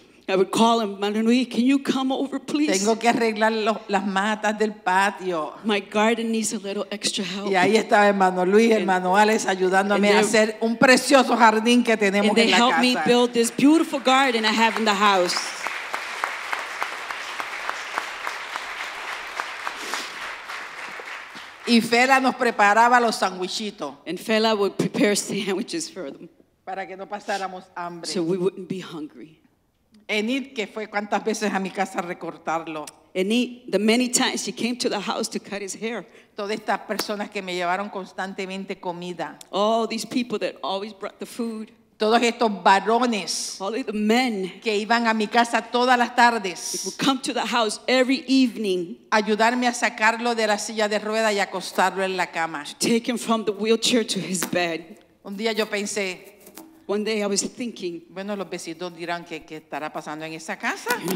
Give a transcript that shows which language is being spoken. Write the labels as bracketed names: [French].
[English] I would call him, Manuel Luis, can you come over, please? [Spanish] Tengo que arreglar las matas del patio. [English] My garden needs a little extra help. [Spanish] Y ahí estaba hermano Luis, hermano Alex, ayudándome a hacer un precioso jardín que tenemos en la casa. [English] And they helped me build this beautiful garden I have in the house. [Spanish] Y Fela nos preparaba los sandwichitos. [English] And Fela would prepare sandwiches for them. [Spanish] Para que no pasáramos hambre. [English] So we wouldn't be hungry. [Spanish] Enid, que fue cuántas veces a mi casa recortarlo. [English] Enid, the many times she came to the house to cut his hair. [Spanish] Todas estas personas que me llevaron constantemente comida. [English] All these people that always brought the food. [Spanish] Todos estos varones. [English] All the men. [Spanish] Que iban a mi casa todas las tardes. [English] They would come to the house every evening. [Spanish] Ayudarme a sacarlo de la silla de rueda y acostarlo en la cama. [English] To take him from the wheelchair to his bed. [Spanish] Un día yo pensé. [English] One day I was thinking. [Spanish] Bueno, los vecinos dirán qué estará pasando en esa casa.